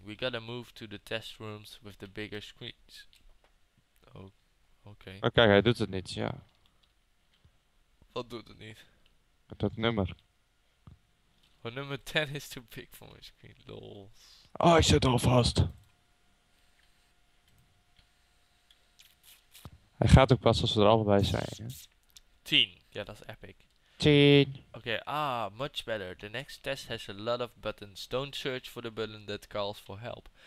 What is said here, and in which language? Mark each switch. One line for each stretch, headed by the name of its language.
English: We gotta move to the test rooms with the bigger screens.
Dutch: Oh, oké.
English: Okay.
Dutch: Maar kijk, hij doet het niet, ja. Wat doet het niet? Dat nummer.
English: Oh, nummer 10 is too big for my screen. Lol.
Dutch: Oh, ik zit al vast. Hij gaat ook pas als we er allebei zijn. Hè? 10. Ja, dat is epic. 10.
English: Oké, ah, much better. The next test has a lot of buttons. Don't search for the button that calls for help.